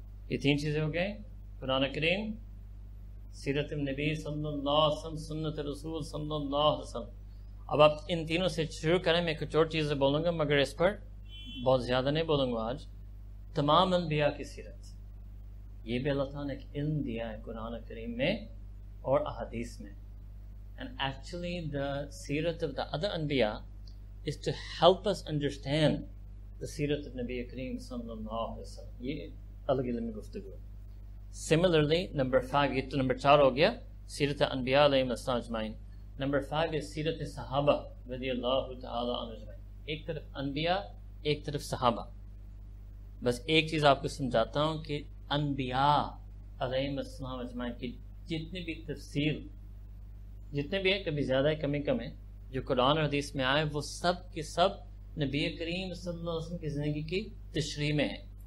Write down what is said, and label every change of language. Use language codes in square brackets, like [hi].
[ur] یہ تین چیزیں ہو گئیں, قرآن کریم, سیرت النبی صلی اللہ علیہ وسلم, سنت رسول صلی اللہ علیہ وسلم. اب آپ ان تینوں سے شروع کریں, میں کچھ اور چیزیں بولوں گا مگر اس پر بہت زیادہ نہیں بولوں گا آج. تمام انبیاء کی سیرت, یہ بھی اللہ تعالیٰ نے ایک علم دیا ہے قرآن کریم میں اور احادیث میں. [en] And actually the سیرت of the other انبیاء is to help us understand the سیرت of نبی کریم صلی اللہ علیہ وسلم. [ur] یہ الگ علم گفتگو. [en] Similarly, number 5, [ur] یہ تو نمبر 4 ہو گیا, سیرت انبیاء علیہ السلام اجمعین. نمبر 5 is سیرت صحابہ رضی اللہ تعالیٰ عنہ اجمعین. ایک طرف انبیاء, ایک طرف صحابہ. بس ایک چیز آپ کو سمجھاتا ہوں کہ انبیاء علیہ السلام اجمعین کی جتنی بھی تفصیل, جتنے بھی ہیں, کبھی زیادہ ہے کمی کم ہے, جو قرآن اور حدیث میں آئے, وہ سب کے سب نبی کریم صلی اللہ علیہ وسلم کی زندگی کی تشریح میں ہیں.